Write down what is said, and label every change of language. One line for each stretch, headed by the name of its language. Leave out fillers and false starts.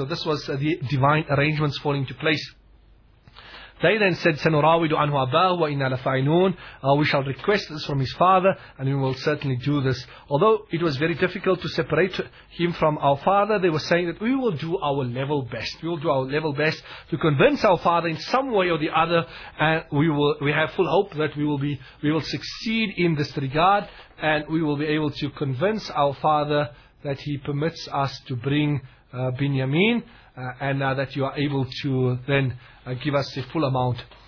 English: So this was the divine arrangements falling into place. They then said,
Arabic: سَنُرَاوِدُ عَنْهُ أَبَاهُ وَإِنَّا لَفَعِنُونَ.
English: We shall request this from his father, and we will certainly do this. Although it was very difficult to separate him from our father, they were saying that we will do our level best. We will do our level best to convince our father in some way or the other, and we have full hope that we will succeed in this regard, and we will be able to convince our father that he permits us to bring Binyamin, and that you are able to then give us the full amount.